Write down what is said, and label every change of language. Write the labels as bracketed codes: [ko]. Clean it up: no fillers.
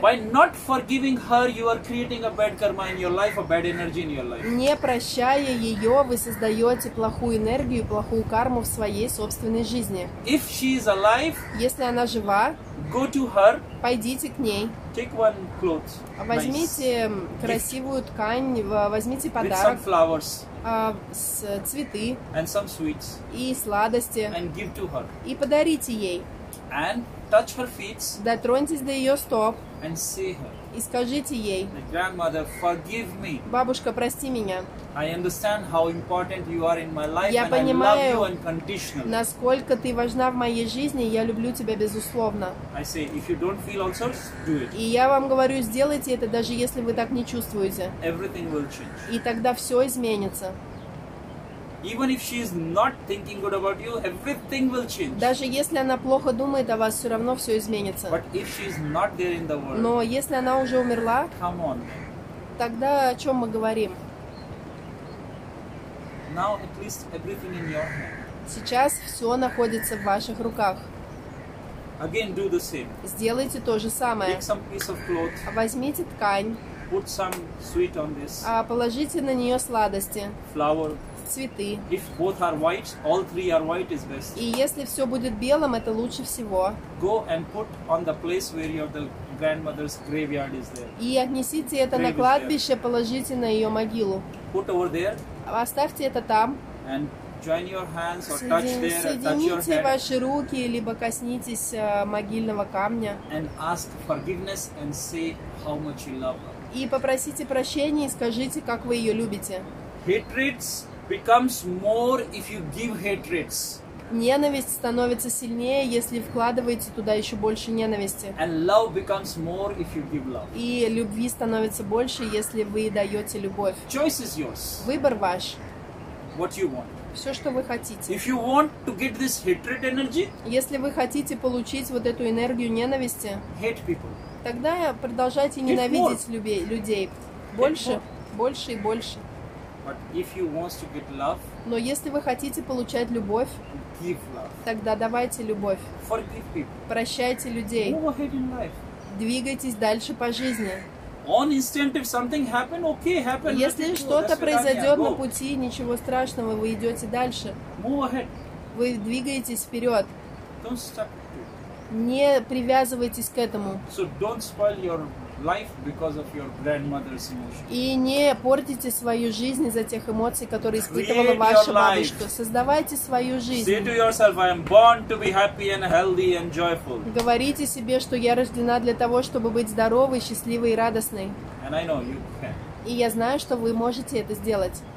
[en] By not forgiving her, you are creating a bad karma in your life, a bad energy in your life. [ru] Не прощая ее, вы создаете плохую энергию, плохую карму в своей собственной жизни. [en] If she is alive, [ru] если она жива, [en] go to her. [ru] Пойдите к ней. [en] Take one clothes. [ru] Возьмите [en] nice. [ru] Красивую ткань, возьмите подарок. [en] With some flowers. [ru] С цветы. [en] And some sweets. [ru] И сладости. [en] And give to her. [ru] И подарите ей. [en] And touch her feet. [ru] Дотроньтесь до ее стоп. [en] And see her. [ru] И скажите ей. [en] My grandmother, forgive me. [ru] Бабушка, прости меня. [en] I understand how important you are in my life, [ru] я [en] and [ru] понимаю, [en] I love you unconditionally. [ru] Насколько ты важна в моей жизни, я люблю тебя безусловно. [en] I say, if you don't feel also, do it. [ru] И я вам говорю, сделайте это, даже если вы так не чувствуете. [en] Everything will change. [ru] И тогда все изменится. [en] Even if she is not thinking good about you, everything will change. [ru] Даже если она плохо думает о вас, все равно все изменится. [en] But if she is not there in the world, [ru] но если она уже умерла, [en] come on. [ru] Тогда о чем мы говорим? [en] Now at least everything in your hand. [ru] Сейчас все находится в ваших руках. [en] Again, do the same. [ru] Сделайте то же самое. [en] Take some piece of cloth. [ru] Возьмите ткань. [en] Put some sweet on this. [ru] Положите на нее сладости. [en] Flower. [ru] Цветы. [en] If both are white, all three are white is best. [ru] И если все будет белым, это лучше всего. [en] Go and put on the place where you have the grandmother's graveyard is there. [ru] И отнесите это на кладбище, положите на ее могилу. [en] Put over there. [ru] Оставьте это там. [en] And join your hands or touch there. [ru] Соедините ваши руки либо коснитесь могильного камня. [en] And ask forgiveness and say how much you love her. [ru] И попросите прощения и скажите, как вы ее любите. [en] Hatreds becomes more if you give hatreds. [ru] Ненависть становится сильнее, если вкладываете туда еще больше ненависти. [en] And love becomes more if you give love. [ru] И любви становится больше, если вы даете любовь. [en] Choice is yours. [ru] Выбор ваш. [en] What you want. [ru] Все, что вы хотите. [en] If you want to get this hatred energy, [ru] если вы хотите получить вот эту энергию ненависти, [en] hate people. [ru] Тогда продолжайте [en] hate [ru] ненавидеть [en] more. [ru] людей. Больше, больше и больше. [en] But if you want to get love, [ru] но если вы хотите получать любовь, [en] give love. [ru] Тогда давайте любовь. [en] Forgive people. [ru] Прощайте людей. [en] Move ahead in life. [ru] Двигайтесь дальше по жизни. [en] On instant, if something happened, okay, happened. [ru] Если что-то произойдет на пути, ничего страшного, вы идете дальше. [en] Move ahead. [ru] Вы двигаетесь вперед. [en] Don't stop. [ru] Не привязывайтесь к этому. [en] So don't spoil your life because of your grandmother's emotions. [ru] И не портите свою жизнь из-за тех эмоций, которые испытывала ваша бабушка. Создавайте свою жизнь. [en] Say to yourself, I am born to be happy and healthy and joyful. [ru] Говорите себе, что я рождена для того, чтобы быть здоровой, счастливой и радостной. [en] And I know you can. [ru] И я знаю, что вы можете это сделать.